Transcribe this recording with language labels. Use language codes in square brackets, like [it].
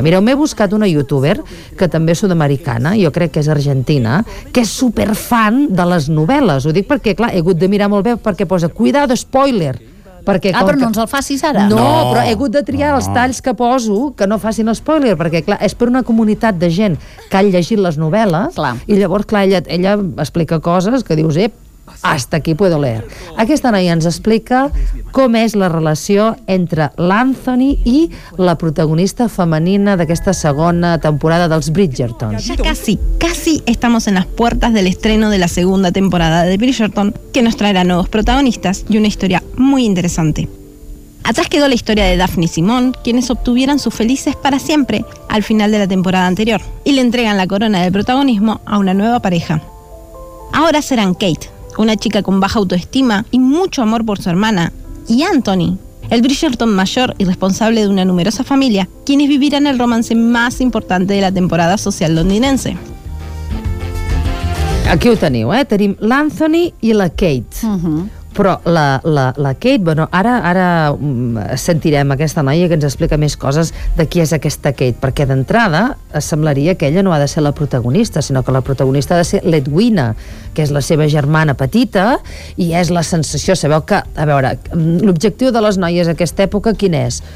[ca] Mireu, m'he buscat una youtuber, que també és sud-americana, jo crec que és argentina, que és superfan de les novel·les. Ho dic perquè, clar, he hagut de mirar molt bé perquè posa cuidado, spoiler. Perquè, però no ens el facis ara. No, però he hagut de triar els talls que poso que no facin spoiler, perquè clar, és per una comunitat de gent que ha llegit les novel·les, clar. I llavors clar, ella explica coses que dius, [es] hasta aquí puedo leer. [ca] Aquesta noia ens explica com és la relació entre l'Anthony i la protagonista femenina d'aquesta segona temporada dels Bridgerton. [es] Ya casi estamos en las puertas del estreno de la segunda temporada de Bridgerton, que nos traerá nuevos protagonistas y una historia muy interesante. Atrás quedó la historia de Daphne y Simón, quienes obtuvieron sus felices para siempre al final de la temporada anterior y le entregan la corona del protagonismo a una nueva pareja. Ahora serán Kate, una chica con baja autoestima y mucho amor por su hermana, y Anthony, el Bridgerton mayor y responsable de una numerosa familia, quienes vivirán el romance más importante de la temporada social londinense. [ca] Aquí ho teniu, eh? Tenim l'Anthony i la Kate. Però la Kate, bueno, ara sentirem aquesta noia que ens explica més coses de qui és aquesta Kate, perquè d'entrada semblaria que ella no ha de ser la protagonista, sinó que la protagonista ha de ser l'Edwina, que és la seva germana petita, i és la sensació, sabeu que, a veure, l'objectiu de les noies d'aquesta època quin és?